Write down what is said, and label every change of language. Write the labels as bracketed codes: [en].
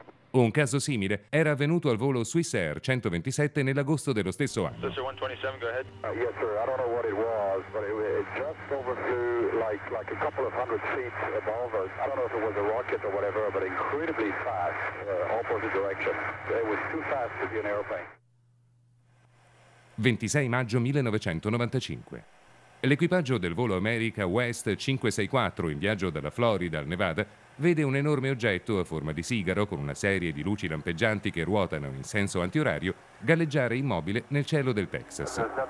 [it] Un caso simile era avvenuto al volo Swiss Air 127 nell'agosto dello stesso anno. [en] Sir, 127, go ahead. Yes, sir. I don't know what it was, but it just overflew like a couple of hundred feet above us. I don't know if it was a rocket or whatever, but incredibly fast, opposite direction. It was too fast to be an airplane. [it] 26 maggio 1995. L'equipaggio del volo America West 564 in viaggio dalla Florida al Nevada vede un enorme oggetto a forma di sigaro con una serie di luci lampeggianti che ruotano in senso antiorario galleggiare immobile nel cielo del Texas.